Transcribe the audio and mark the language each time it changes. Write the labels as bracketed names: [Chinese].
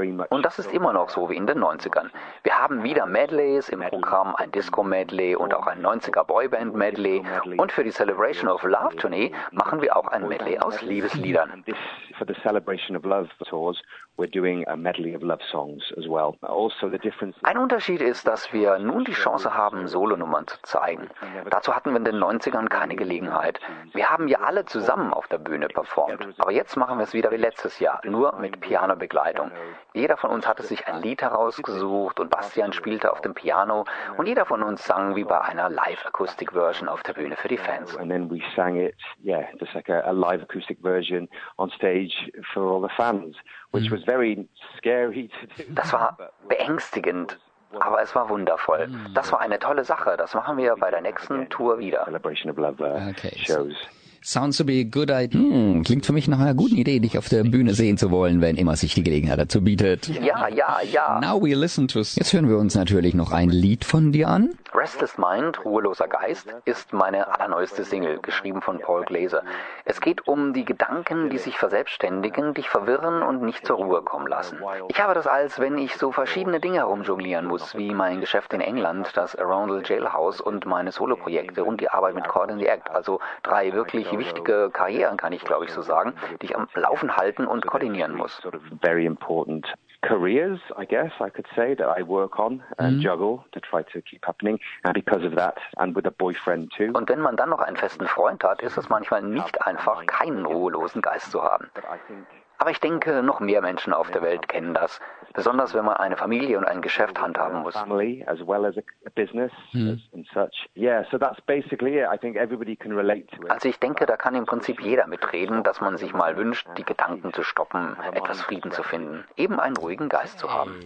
[German] Und das ist immer noch so wie in den 90ern. Wir haben wieder Medleys im Programm, ein Disco-Medley und auch ein 90er-Boyband-Medley. Und für die Celebration of Love-Tournee machen wir auch ein Medley aus Liebesliedern. [English] For the Celebration of Love tours, we're doing a medley of love songs as well. Also the difference. [German] Ein Unterschied ist, dass wir nun die Chance haben, Solonummern zu zeigen. Dazu hatten wir in den 90ern keine Gelegenheit. Wir haben ja alle zusammen auf der Bühne performt. Aber jetzt machen wir es wieder wie letztes Jahr, nur mit Pianobegleitung. Jeder von uns hatte sich ein Lied herausgesucht und Bastian spielte auf dem Piano und jeder von uns sang wie bei einer Live-Akustik-Version auf der Bühne für die Fans. [English] And then we sang it, yeah, just like a live-acoustic version on stage for all the fans, which was very scary to do. [German] Das war beängstigend, aber es war wundervoll. Das war eine tolle Sache. Das machen wir bei der nächsten Tour wieder. [English] Celebration of Love shows. Sounds to be a good idea. [German] Klingt für mich nach einer guten Idee, dich auf der Bühne sehen zu wollen, wenn immer sich die Gelegenheit dazu bietet. Ja, ja, ja. [English] Now we listen to us. [German] Jetzt hören wir uns natürlich noch ein Lied von dir an. Restless Mind, ruheloser Geist, ist meine allerneueste Single, geschrieben von Paul Glaser. Es geht um die Gedanken, die sich verselbstständigen, dich verwirren und nicht zur Ruhe kommen lassen. Ich habe das als, wenn ich so verschiedene Dinge herumjonglieren muss, wie mein Geschäft in England, das Arundel Jailhouse und meine Soloprojekte und die Arbeit mit Caught in the Act, also drei wirklich wichtige Karrieren, kann ich glaube ich so sagen, die ich am Laufen halten und koordinieren muss. [English] Very important. Careers, I guess I could say, that I work on and juggle to try to keep happening. because of that, and with a boyfriend too. [German] Und wenn man dann noch einen festen Freund hat, ist es manchmal nicht einfach, keinen ruhelosen Geist zu haben. Aber ich denke, noch mehr Menschen auf der Welt kennen das, besonders wenn man eine Familie und ein Geschäft handhaben muss. Also ich denke, da kann im Prinzip jeder mitreden, dass man sich mal wünscht, die Gedanken zu stoppen, etwas Frieden zu finden, eben einen ruhigen Geist zu haben.